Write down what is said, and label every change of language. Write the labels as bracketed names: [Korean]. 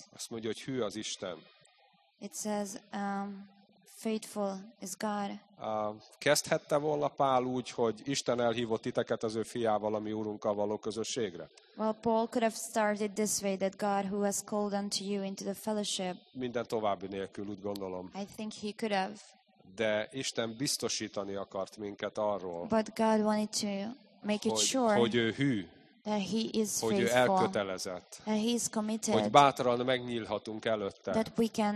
[Hungarian] Azt mondja, hogy hű az Isten. [English] It says faithful is God. [Hungarian] Kezdhette volna Pál úgy, hogy Isten elhívott titeket az ő fiával, a mi Úrunkkal való közösségre? [English] Well, Paul could have started this way, that God who has called unto you into the fellowship. [Hungarian] Minden további nélkül, úgy gondolom. [English] I think he could have. [Hungarian] De Isten biztosítani akart minket arról. [English] But God wanted to make it sure. [Hungarian] Hogy ő hű. [English] That he is faithful, [Hungarian] hogy ő elkötelezett, [English] that he is committed, [Hungarian] hogy bátran megnyílhatunk előtte, [English] that we can,